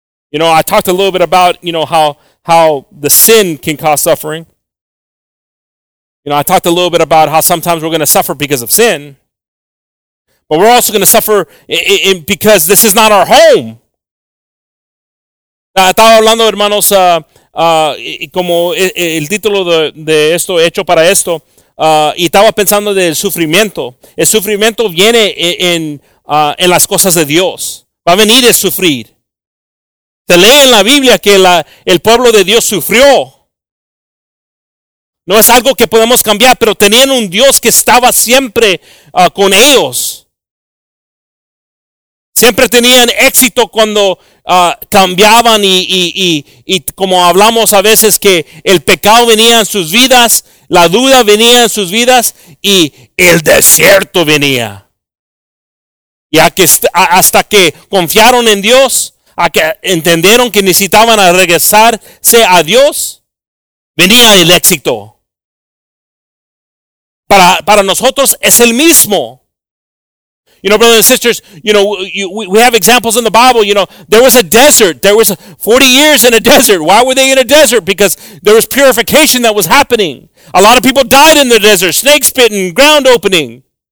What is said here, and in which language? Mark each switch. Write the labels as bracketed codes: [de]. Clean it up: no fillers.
[en] You know, I talked a little bit about, you know, how the sin can cause suffering. You know, I talked a little bit about how sometimes we're going to suffer because of sin. But we're also going to suffer in because this is not our home. [es] Estaba hablando, hermanos, como el título de esto, hecho para esto. Y estaba pensando del sufrimiento. El sufrimiento viene en las cosas de Dios. Va a venir a sufrir. Se lee en la Biblia que el pueblo de Dios sufrió. No es algo que podemos cambiar, pero tenían un Dios que estaba siempre con ellos. Siempre tenían éxito cuando cambiaban y como hablamos a veces que el pecado venía en sus vidas, la duda venía en sus vidas y el desierto venía. Ya que hasta que confiaron en Dios, a que entendieron que necesitaban a regresarse a Dios, venía el éxito. Para nosotros es el mismo. [en] You know, brothers and sisters, you know, we have examples in the Bible. You know, there was a desert. There was 40 years in a desert. Why were they in a desert? Because there was purification that was happening. A lot of people died in the desert. Snakes bitten, ground opening.